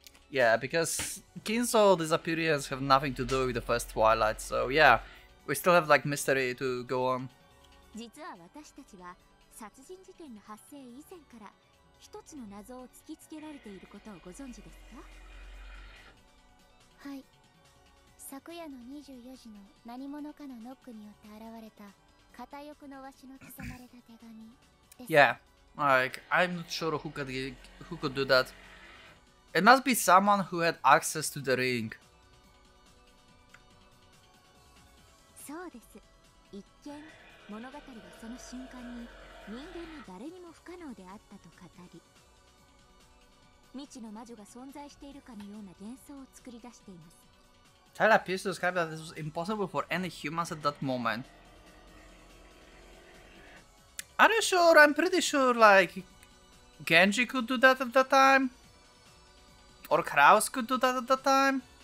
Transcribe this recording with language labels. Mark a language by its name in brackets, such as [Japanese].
[English] Yeah, because Kinzo's disappearance have nothing to do with the first Twilight, so yeah, we still have like mystery to go on. [Japanese] 実は私たちは殺人事件の発生以前から一つの謎を突きつけられていることをご存知ですか？はい。昨夜の24時の何者かのノックによって現れた片翼のわしの刻まれた手紙です。 [English] Yeah, like I'm not sure who could do that. It must be someone who had access to the ring. [Japanese] そうです。一見、物語はその瞬間に人間の誰にも不可能であったと語り、未知の魔女が存在しているかのような幻想を作り出しています。 [English] Tyler appears to describe that this was impossible for any humans at that moment. Are you sure? I'm pretty sure, like, Genji could do that at that time. Or Kraus could do that at the time.